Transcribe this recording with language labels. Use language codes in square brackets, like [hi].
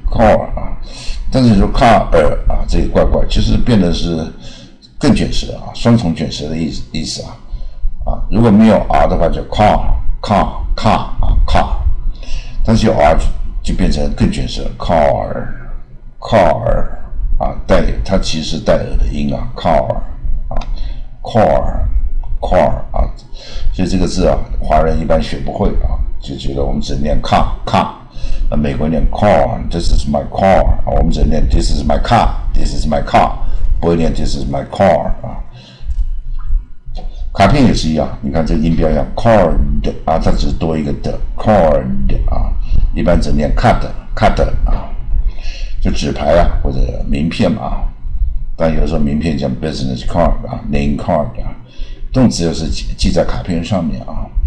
[zh] car 啊，但是你说 car 啊，这也怪怪，其实变得是更卷舌啊，双重卷舌的意思啊，啊，如果没有 r 的话就 car 啊 car， 但是有 r 就变成更卷舌 car 啊，带它其实带了的音啊 car 啊，所以这个字啊，华人一般学不会啊，就觉得我们只念 car。美国念 [en] car，this is my car， [zh] 我们只念 [en] this is my car，this is my car， [zh] 不会念 [en] this is my car [zh] 啊。卡片也是一样，你看这个音标一样 ，card 啊，它只多一个的 ，card 啊，一般只念 card 啊，就纸牌啊或者名片嘛，但有时候名片像 business card 啊 ，name card 啊，动词就是记在卡片上面啊。